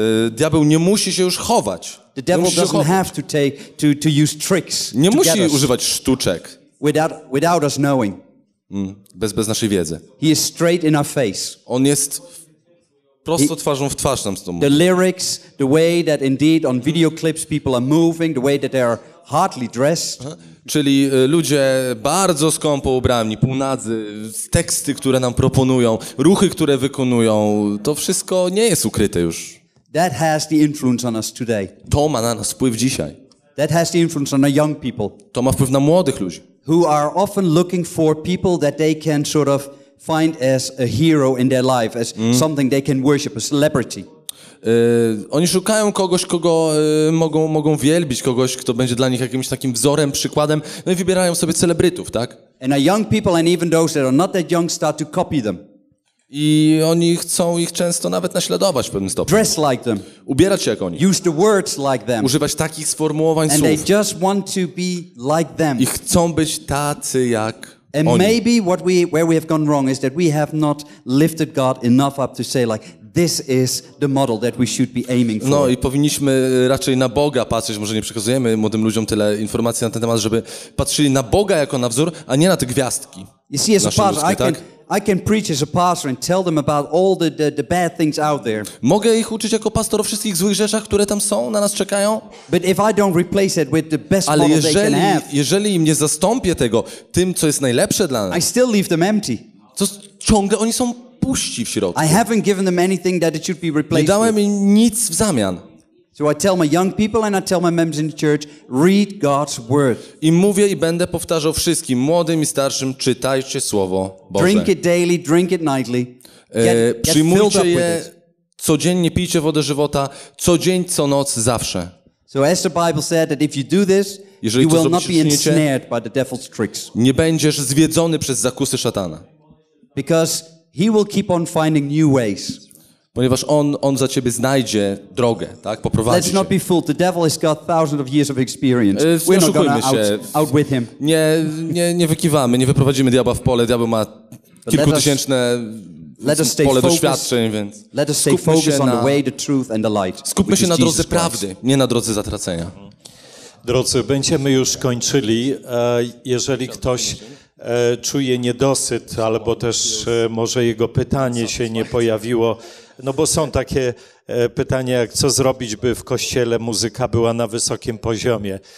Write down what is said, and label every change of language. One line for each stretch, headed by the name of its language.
Polish: Diabeł nie musi się już chować.
English: The devil doesn't have to take to use tricks.
Polish: Nie musi używać sztuczek.
English: Without us knowing.
Polish: Bez naszej wiedzy.
English: He is straight in our face.
Polish: On jest prosto twarzą w twarz nam z tą muzyką.
English: The lyrics, the way that indeed on video clips people are moving, the way that they are hardly dressed.
Polish: Czyli ludzie bardzo skąpo ubrani, półnadzy, teksty, które nam proponują, ruchy, które wykonują, to wszystko nie jest ukryte już.
English: That has the influence on us today.
Polish: To ma na nas wpływ dzisiaj.
English: That has the influence on our young people.
Polish: To ma wpływ na młodych ludzi.
English: Who are often looking for people that they can sort of find as a hero in their life, as something they can worship, a celebrity.
Polish: Oni szukają kogoś, kogo mogą wielbić, kogoś, kto będzie dla nich jakimś takim wzorem, przykładem. No i wybierają sobie celebrytów, tak?
English: And our young people and even those that are not that young start to copy them.
Polish: I oni chcą ich często nawet naśladować w pewnym stopniu.
English: Dress like them.
Polish: Ubierać się jak oni.
English: Use the words like them.
Polish: Używać takich sformułowań,
English: and
Polish: słów.
English: They just want to be like them.
Polish: I chcą być tacy jak
English: and
Polish: oni.
English: And maybe what we where we have gone wrong is that we have not lifted God enough up to say like this is the model that we should be aiming for.
Polish: No i powinniśmy raczej na Boga patrzeć, może nie przekazujemy młodym ludziom tyle informacji na ten temat, żeby patrzyli na Boga jako na wzór, a nie na te gwiazdki.
English: You see, as a pastor, I can preach as a pastor and tell them about all the bad things out there.
Polish: Mogę ich uczyć jako pastor o wszystkich złych rzeczach, które tam są, na nas czekają.
English: But if I don't replace it with the best model they can have.
Polish: Ale jeżeli im nie zastąpię tego tym, co jest najlepsze dla nas.
English: I still leave them empty.
Polish: To ciągle oni są puści w środku.
English: I haven't given them anything that it should be replaced.
Polish: Nie dałem im nic w zamian.
English: So I tell my young people and I tell my members in the church, read God's word.
Polish: I mówię i będę powtarzał wszystkim, młodym i starszym, czytajcie Słowo Boże.
English: Drink it daily, drink it nightly.
Polish: Przyjmujcie je, codziennie pijcie wodę żywota, co dzień, co noc, zawsze.
English: So as the Bible said that if you do this,
Polish: jeżeli
English: you will not
Polish: zrobić,
English: be ensnared by the devil's tricks.
Polish: Nie będziesz zwiedzony przez zakusy szatana.
English: Because he will keep on finding new ways.
Polish: Ponieważ on za ciebie znajdzie drogę, tak? Poprowadzi cię.
English: Let's not be fooled. The devil has got thousands of years of experience. We're not going to outwit him.
Polish: Nie wykiwamy, nie wyprowadzimy diabła w pole. Diabeł ma kilkutysięczne pole doświadczeń, więc
English: let us stay focused on the way, the truth and the light.
Polish: Skupmy się na drodze prawdy, nie na drodze zatracenia. Drodzy, będziemy już kończyli, jeżeli ktoś czuje niedosyt albo też może jego pytanie się nie pojawiło. No bo są takie pytania, jak co zrobić, by w kościele muzyka była na wysokim poziomie.